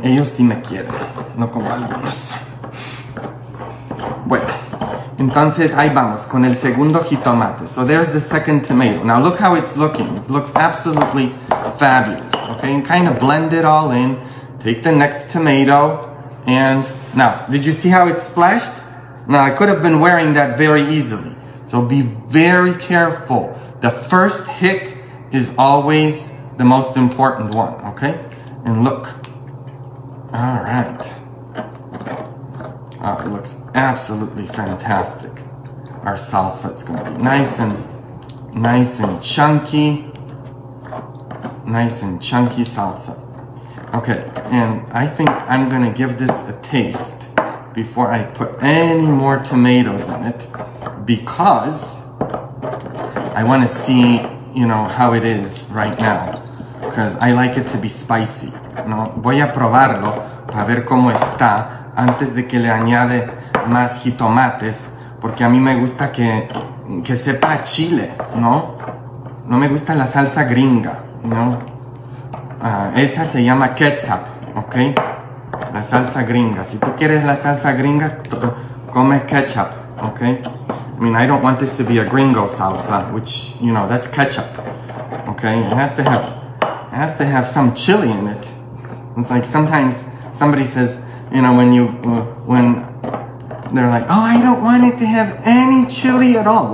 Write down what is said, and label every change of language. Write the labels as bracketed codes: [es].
[es] Ellos sí me quieren, no como algunos. Bueno, entonces ahí vamos con el segundo jitomate. [en] So there's the second tomato. Now look how it's looking. It looks absolutely fabulous. Okay, and kind of blend it all in. Take the next tomato and... Now, did you see how it splashed? Now, I could have been wearing that very easily. So be very careful. The first hit is always the most important one, okay? And look. All right. Oh, it looks absolutely fantastic. Our salsa is going to be nice and chunky. Nice and chunky salsa. Okay, and I think I'm going to give this a taste before I put any more tomatoes in it because I want to see, you know, how it is right now because I like it to be spicy. [es] No, voy a probarlo para ver cómo está antes de que le añade más jitomates porque a mí me gusta que sepa a chile, ¿no? No me gusta la salsa gringa, ¿no? Esa se llama ketchup, ¿ok? La salsa gringa. Si tú quieres la salsa gringa, come ketchup, ¿ok? [en] I mean, I don't want this to be a gringo salsa, which, you know, that's ketchup, ¿ok? It has to have some chili in it. It's like sometimes somebody says, you know, when they're like, oh, I don't want it to have any chili at all.